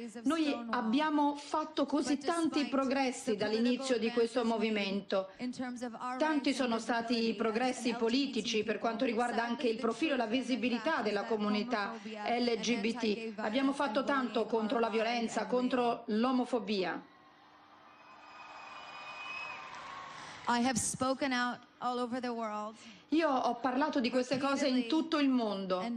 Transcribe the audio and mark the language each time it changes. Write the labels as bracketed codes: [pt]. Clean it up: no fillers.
[it] Noi abbiamo fatto così tanti progressi dall'inizio di questo movimento. Tanti sono stati i progressi politici per quanto riguarda anche il profilo e la visibilità della comunità LGBT. Abbiamo fatto tanto contro la violenza, contro l'omofobia. [en] I have spoken out all over the world. [it] Io ho parlato di queste cose in tutto il mondo.